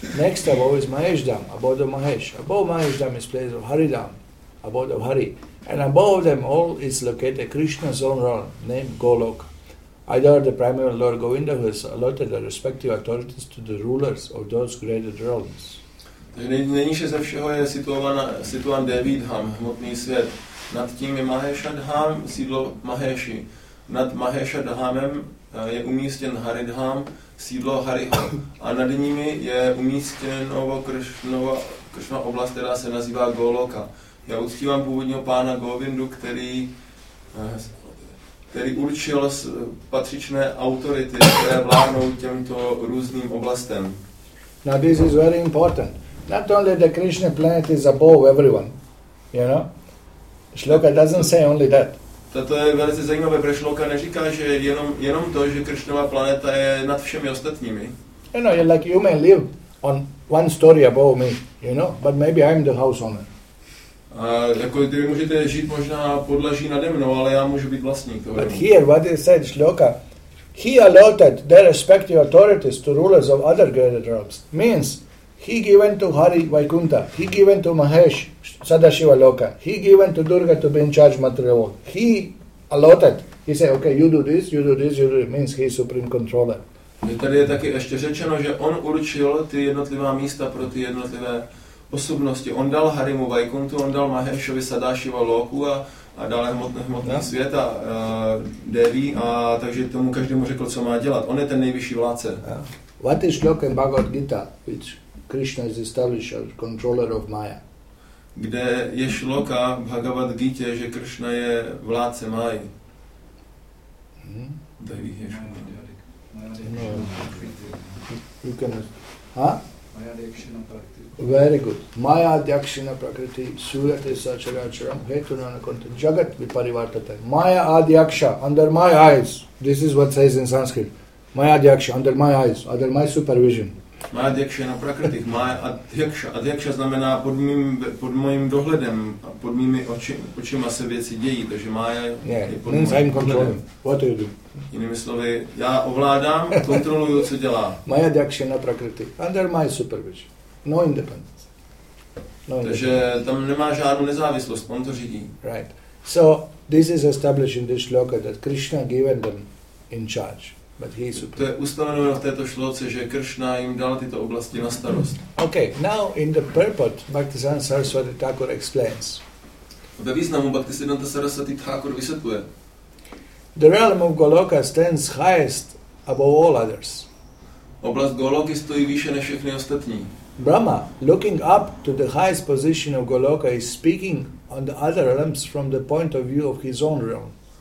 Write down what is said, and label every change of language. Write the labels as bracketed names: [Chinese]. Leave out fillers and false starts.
[English] Next above is Mahesh Dham, abode of Mahesh. Above Mahesh Dham is place of Hari Dham, abode of Hari. And above them all is located Krishna's own realm, named Golok. Either the primary Lord Govinda who has allotted the respective authorities to the rulers of those created realms. [Czech] Nejniše ze všeho je situován Devi Dham, hmotný svět. Nad tím je Mahesh Dham, sídlo Maheshi. Nad Mahesh Dhamem je umístěn Hari Dham, sídlo Hariho, a nad nimi je umístěno Kršna oblast, která se nazývá Goloka. Já uctívám původního pána Govindu, který určil patřičné autority, které vládnou těmto různým oblastem. [English] Now this is very important. Not only the Krishna planet is above everyone, you know. Shloka doesn't say only that. [Czech] Toto je velice zajímavé, protože Šloka neříká, že jenom to, že Krišnova planeta je nad všemi ostatními. [English] You know, like you may live on one story above me, you know, but maybe I'm the house owner. [Czech] Jako ty můžete žít možná podlaží nade mnou, ale já můžu být vlastník toho. [English] But here, what he said, Šloka, he allotted their respective authorities to rulers of other greater realms. Means, he given to Hari Vaikuntha, he given to Mahesh Sadashiva Loka, he given to Durga to be in charge material world. He allotted, he said, okay, you do this, you do this, you do this, means he's supreme controller. [Czech] Tady je taky ještě řečeno, že on určil ty jednotlivá místa pro ty jednotlivé osobnosti. On dal Harimu Vaikuntu, on dal Maheshovi Sadashiva Loku a dal hmotný yeah. svět a Devi, a takže tomu každému řekl, co má dělat. On je ten nejvyšší vládce. [English] Yeah. What is Loka in Bhagavad Gita, which Krishna is established as controller of Maya? [Czech] Kde je Šloka v Bhagavad Gita, že Krishna je vládce Maji? Devi je [English] Shloka. No. Ha? Maya very good. [Sanskrit] Maya adhyakshina prakriti suyate sacharacharam hetunana konta jagat viparivartate. [English] Maya adhyaksha, under my eyes. This is what says in Sanskrit. Maya adhyaksha, under my eyes, under my supervision. [Sanskrit] Maya adhyakshina prakriti, maya adhyaksha. [Czech] Adhyaksha znamená pod mojím dohledem, pod mými očima se věci dějí, takže maya je pod mojím dohledem. [English] I'm controlling. What do you do? [Czech] Jinými slovy, já ovládám, kontroluju, co dělá. [Sanskrit] Maya adhyakshina prakriti, [English] under my supervision. No independence. [Czech] Takže tam nemá žádnou nezávislost, on to řídí. [English] Right. So, this is established in this shloka that Krishna given them in charge. But he is [Czech] to je ustanoveno v této šloce, že Krishna jim dal tyto oblasti na starost. [English] Okay, now in the purport, Bhaktisiddhanta Saraswati Thakur explains. [Czech] Ve významu Bhaktisiddhanta Saraswati Thakur vysvětluje. [English] The realm of Goloka stands highest above all others. [Czech] Oblast Goloky stojí výše než všechny ostatní. [English] Brahma, looking up to the highest position of Goloka, is speaking on the other realms from the point of view of his own realm.